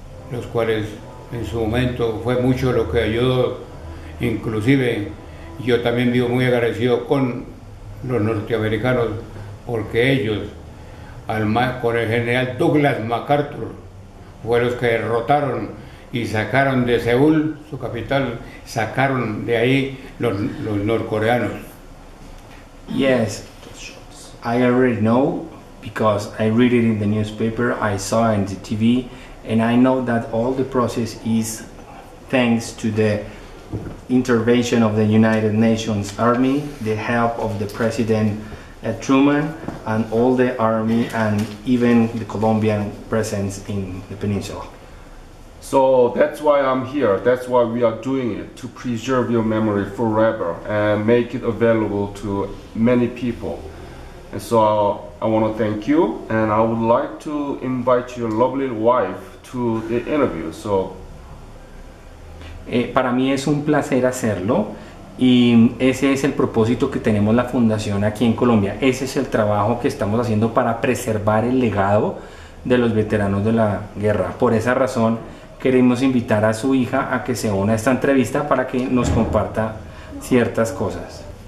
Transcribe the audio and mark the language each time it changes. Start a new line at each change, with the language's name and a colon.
Spanish: los cuales en su momento fue mucho lo que ayudó, inclusive yo también vivo muy agradecido con los norteamericanos, porque ellos, con el general Douglas MacArthur, fue los que derrotaron y sacaron de Seúl, su capital, sacaron de ahí los norcoreanos.
English: Yes. I already know because I read it in the newspaper, I saw it in the TV, and I know that all the process is thanks to the intervention of the United Nations Army, the help of the President Truman, and all the army, and even the Colombian presence in the peninsula. So that's why I'm here, that's why we are doing it, to preserve your memory forever and make it available to many people. And so I want to thank you, and I would like to invite your lovely wife to the interview. So,
Spanish: para mí es un placer hacerlo, y ese es el propósito que tenemos la fundación aquí en Colombia. Ese es el trabajo que estamos haciendo para preservar el legado de los veteranos de la guerra. Por esa razón queremos invitar a su hija a que se una a esta entrevista para que nos comparta ciertas cosas.